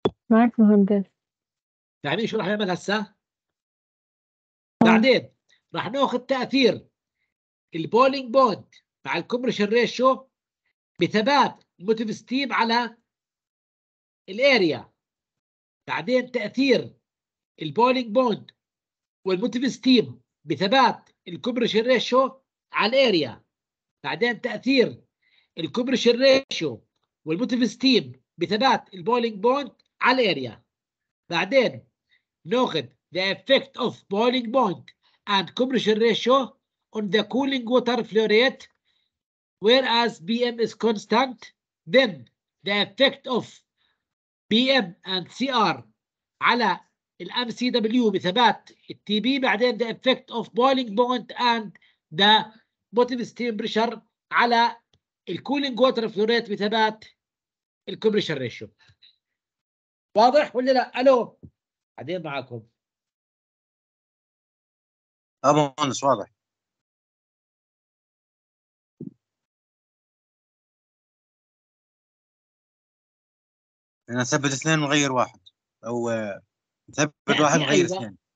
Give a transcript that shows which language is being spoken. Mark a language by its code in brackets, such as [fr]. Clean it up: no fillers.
[ar] معك مهندس يعني شو راح نعمل هسه؟ بعدين راح ناخذ تاثير البولينج بوينت مع الكومبريشن ريشيو بثبات موتيف ستيم على الاريا، بعدين تاثير البولينج بوند والموتيف ستيم بثبات الكوبريشن ريشيو على الاريا، بعدين تاثير الكوبريشن ريشيو والموتيف ستيم بثبات البولينج بوند على الاريا، بعدين ناخذ [en] the effect of boiling point and compression ratio on the cooling water flow rate whereas BM is constant, then the effect of BM and CR [ar] على ال MCW بثبات TB، بعدين [en] the effect of boiling point and the bottom steam pressure [ar] على ال [en] cooling water flow rate [ar] بثبات ال [en] compression ratio. [ar] واضح ولا لا؟ ألو عدين معاكم أبو مهندس، واضح؟ أنا ثبت اثنين وغير واحد، أو ثبت واحد وغير اثنين.